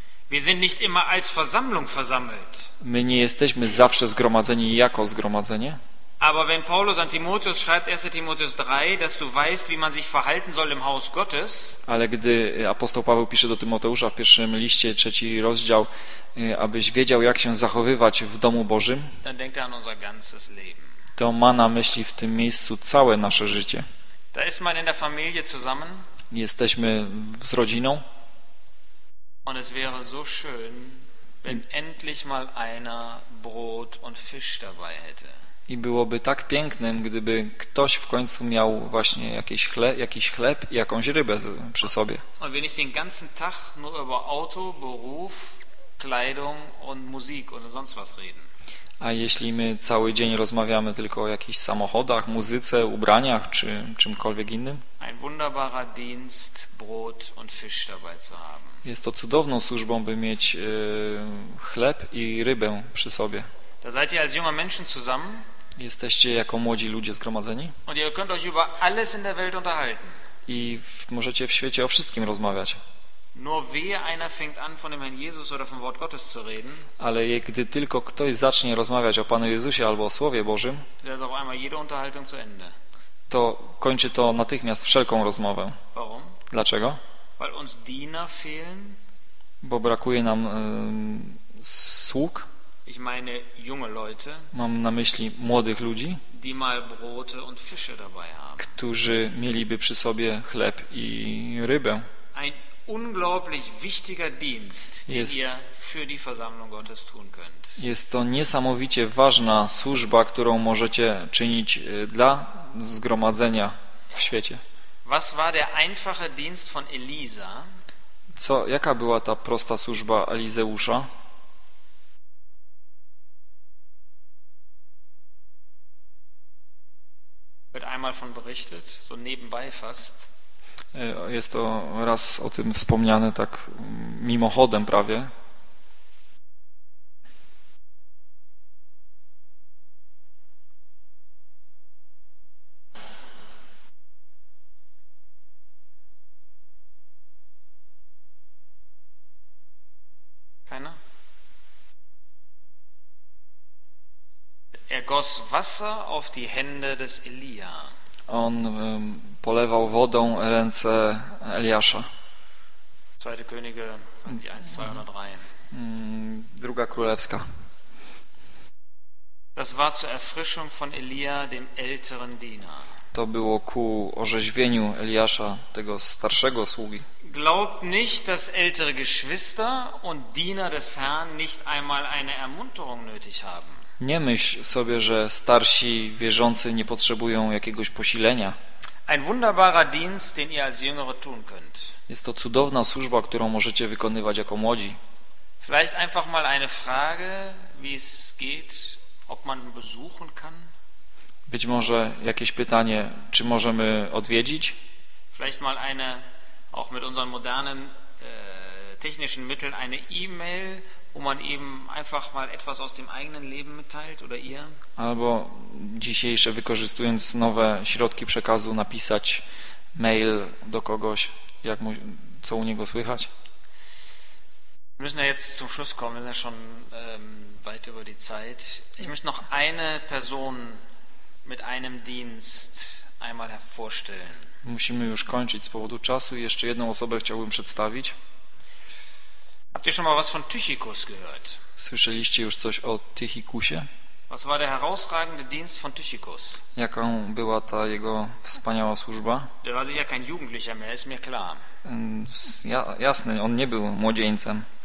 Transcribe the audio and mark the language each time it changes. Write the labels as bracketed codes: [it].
[de] Wir sind nicht immer als Versammlung versammelt. [pl] My nie jesteśmy zawsze zgromadzeni jako zgromadzenie. [de] Aber wenn Paulus an Timotheus schreibt 1. Timotheus 3, dass du weißt, wie man sich verhalten soll im Haus Gottes. [pl] Ale gdy apostoł Paweł pisze do Tymoteusza w pierwszym liście, trzeci rozdział, abyś wiedział, jak się zachowywać w domu Bożym, [de] dann denkt er an unser ganzes Leben. [pl] To ma na myśli w tym miejscu całe nasze życie. [de] Da ist man in der Familie zusammen. [pl] Jesteśmy z rodziną. [de] Und es wäre so schön, wenn endlich mal einer Brot und Fisch dabei hätte. [pl] I byłoby tak pięknym, gdyby ktoś w końcu miał właśnie jakiś chleb i jakąś rybę przy sobie. [de] Und wenn ich den ganzen Tag nur über Auto, Beruf, Kleidung und Musik oder sonst was reden. [pl] A jeśli my cały dzień rozmawiamy tylko o jakichś samochodach, muzyce, ubraniach czy czymkolwiek innym? [de] Ein wunderbarer Dienst, Brot und Fisch dabei zu haben. [pl] Jest to cudowną służbą, by mieć chleb i rybę przy sobie. [de] Da seid ihr als junge Menschen zusammen. [pl] Jesteście jako młodzi ludzie zgromadzeni. [de] Und ihr könnt euch über alles in der Welt unterhalten. [pl] I możecie w świecie o wszystkim rozmawiać. [de] Nur wehe einer fängt an von dem Herrn Jesus oder vom Wort Gottes zu reden. [pl] Ale gdy tylko ktoś zacznie rozmawiać o Panu Jezusie albo o Słowie Bożym, to jest [de] auf einmal jede Unterhaltung zu Ende. [pl] To kończy to natychmiast wszelką rozmowę. [de] Warum? [pl] Dlaczego? [de] Weil uns Diener fehlen. [pl] Bo brakuje nam sług. [de] Ich meine junge Leute. [pl] Mam na myśli młodych ludzi. [de] Die mal Brote und Fische dabei haben. [pl] Którzy mieliby przy sobie chleb i rybę. [de] Ein unglaublich wichtiger Dienst, den ihr für die Versammlung Gottes tun könnt. [pl] Jest to niesamowicie ważna służba, którą możecie czynić dla zgromadzenia w świecie. [de] Was war der einfache Dienst von Elisa? [pl] Co, jaka była ta prosta służba Elizeusza? [de] Wird einmal von berichtet, so nebenbei fast. [pl] Jest to raz o tym wspomniane tak mimochodem prawie. [de] Er goss Wasser auf die Hände des Elia. [pl] On polewał wodą ręce Eliasza. [de] Zweite Könige, 1:203. [pl] Druga Królewska. [de] Das war zur Erfrischung von Elia, dem älteren Diener. [pl] To było ku orzeźwieniu Eliasza, tego starszego sługi. [de] Glaubt nicht, dass ältere Geschwister und Diener des Herrn nicht einmal eine Ermunterung nötig haben. [pl] Nie myśl sobie, że starsi wierzący nie potrzebują jakiegoś posilenia. [de] Ein wunderbarer Dienst, den ihr als jüngere tun könnt. [pl] Jest to cudowna służba, którą możecie wykonywać jako młodzi. [de] Vielleicht einfach mal eine Frage, wie es geht, ob man besuchen kann. [pl] Być może jakieś pytanie, czy możemy odwiedzić? [de] Vielleicht mal eine auch mit unseren modernen technischen Mitteln eine E-Mail, wo man eben einfach mal etwas aus dem eigenen Leben mitteilt oder ihr. [pl] Albo dzisiejsze, wykorzystując nowe środki przekazu, napisać mail do kogoś, jak mu, co u niego słychać. [de] Wir müssen ja jetzt zum Schluss kommen, wir sind ja schon weit über die Zeit. Ich möchte noch eine Person mit einem Dienst einmal hervorstellen. [pl] Musimy już kończyć z powodu czasu i jeszcze jedną osobę chciałbym przedstawić. [de] Habt ihr schon mal was von Tychikus gehört? [pl] Słyszeliście już coś o Tychikusie? [de] Was war der herausragende Dienst von Tychikus? [pl] Jaką była ta jego wspaniała służba? [de] Der war sicher kein Jugendlicher mehr, ist mir klar. [pl] Jasne, on nie był młodzieńcem.